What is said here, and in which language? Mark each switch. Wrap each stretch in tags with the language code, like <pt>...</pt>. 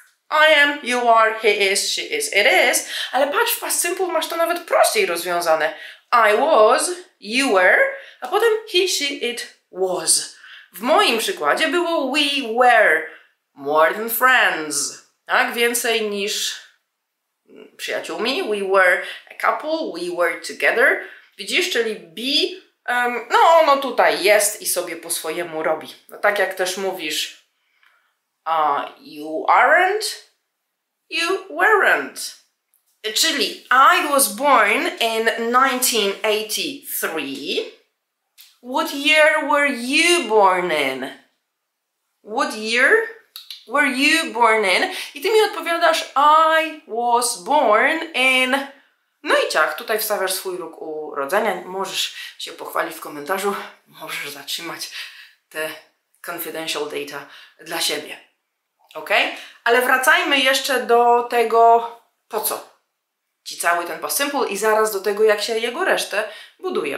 <en>I am, you are, he is, she is, it is.</en> <pl>Ale patrz, w past simple masz to nawet prościej rozwiązane.</pl> <en>I was, you were,</en> <pl>a potem</pl> <en>he, she, it was.</en> <pl>W moim przykładzie było</pl> <en>we were more than friends,</en> <pl>tak? Więcej niż przyjaciółmi.</pl> <en>We were a couple, we were together.</en> <pl>Widzisz, czyli be, no ono tutaj jest i sobie po swojemu robi. No, tak jak też mówisz,</pl> <en>you aren't, you weren't.</en> <pl>Czyli</pl> <en>I was born in 1983. What year were you born in? What year were you born in?</en> <pl>I ty mi odpowiadasz,</pl> <en>I was born in...</en> <pl>No i ciach, tutaj wstawiasz swój rok urodzenia. Możesz się pochwalić w komentarzu. Możesz zatrzymać te confidential data dla siebie. Ok? Ale wracajmy jeszcze do tego, po co ci cały ten past simple i zaraz do tego, jak się jego resztę buduje.</pl>